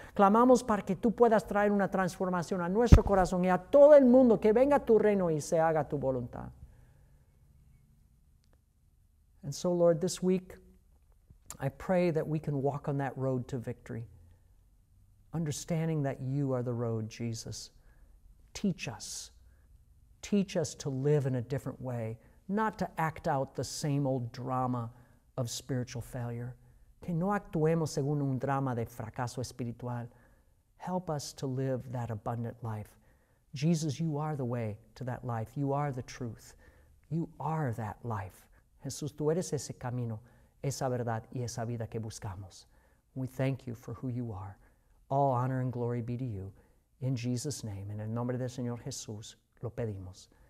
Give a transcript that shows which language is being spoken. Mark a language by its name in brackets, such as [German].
[Spanish] Clamamos para que tú puedas traer una transformación a nuestro corazón y a todo el mundo, que venga tu reino y se haga tu voluntad. [English] And so, Lord, this week, I pray that we can walk on that road to victory, understanding that you are the road, Jesus. Teach us. Teach us to live in a different way, not to act out the same old drama of spiritual failure. [Spanish] Que no actuemos según un drama de fracaso espiritual. [English] Help us to live that abundant life. Jesus, you are the way to that life. You are the truth. You are that life. [Spanish] Jesús, tú eres ese camino, esa verdad y esa vida que buscamos. [English] We thank you for who you are. All honor and glory be to you. In Jesus' name, [Spanish] en el nombre del Señor Jesús, lo pedimos.